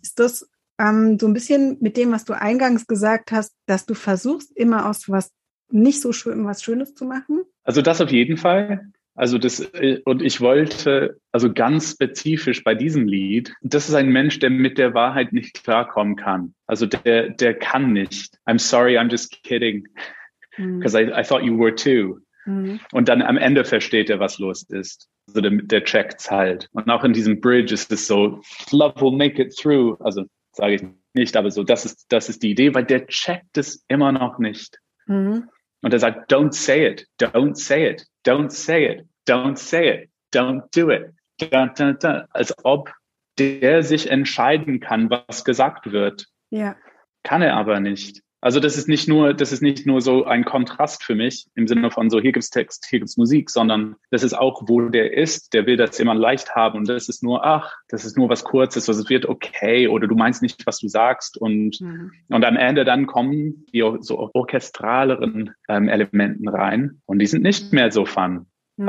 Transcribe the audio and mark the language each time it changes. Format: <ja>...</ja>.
<de>Ist das so ein bisschen mit dem, was du eingangs gesagt hast, dass du versuchst, immer aus was nicht so schön, was Schönes zu machen? Also das auf jeden Fall. Also das, und ich wollte, also ganz spezifisch bei diesem Lied, das ist ein Mensch, der mit der Wahrheit nicht klarkommen kann. Also der kann nicht.</de> <en>I'm sorry, I'm just kidding. Because I thought you were too.</en> <de>Und dann am Ende versteht er, was los ist. Also der checkt's halt. Und auch in diesem Bridge ist es so,</de> <en>love will make it through.</en> <de>Also sage ich nicht, aber so, das ist die Idee, weil der checkt es immer noch nicht. Mhm. Und er sagt,</de> <en>don't say it, don't say it, don't say it, don't say it, don't do it. Da, da, da, da.</en> <de>Als ob der sich entscheiden kann, was gesagt wird. Ja. Kann er aber nicht. Also das ist nicht nur so ein Kontrast für mich im Sinne von so, hier gibt's Text, hier gibt's Musik, sondern das ist auch, wo der ist, der will das immer leicht haben und das ist nur, ach, das ist nur was Kurzes, was es wird okay oder du meinst nicht, was du sagst und am Ende dann kommen die so orchestraleren Elementen rein und die sind nicht mehr so fun. Mhm.</de>